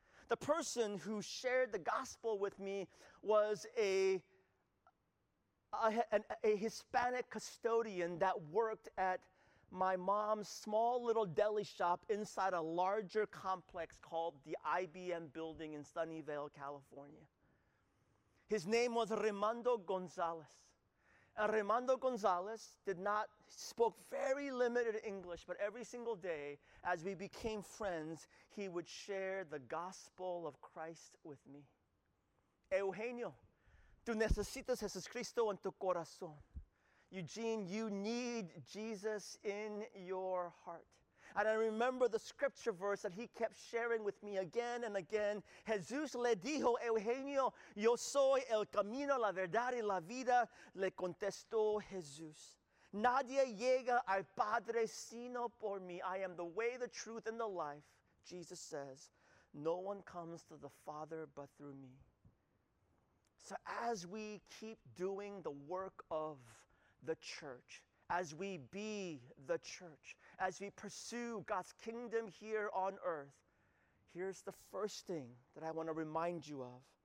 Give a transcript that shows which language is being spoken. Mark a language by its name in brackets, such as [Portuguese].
[English] The person who shared the gospel with me was a Hispanic custodian that worked at my mom's small little deli shop inside a larger complex called the IBM building in Sunnyvale, California. His name was Raimundo Gonzalez. And Raimundo Gonzalez spoke very limited English, but every single day, as we became friends, he would share the gospel of Christ with me. [Spanish] Eugenio, tú necesitas Jesucristo en tu corazón. [English] Eugene, you need Jesus in your heart. And I remember the scripture verse that he kept sharing with me again and again. [Spanish] Jesús le dijo, Eugenio, yo soy el camino, la verdad y la vida, le contestó Jesús. Nadie llega al Padre sino por mí. [English] I am the way, the truth, and the life, Jesus says. No one comes to the Father but through me. So as we keep doing the work of the church, as we be the church, as we pursue God's kingdom here on earth, here's the first thing that I want to remind you of.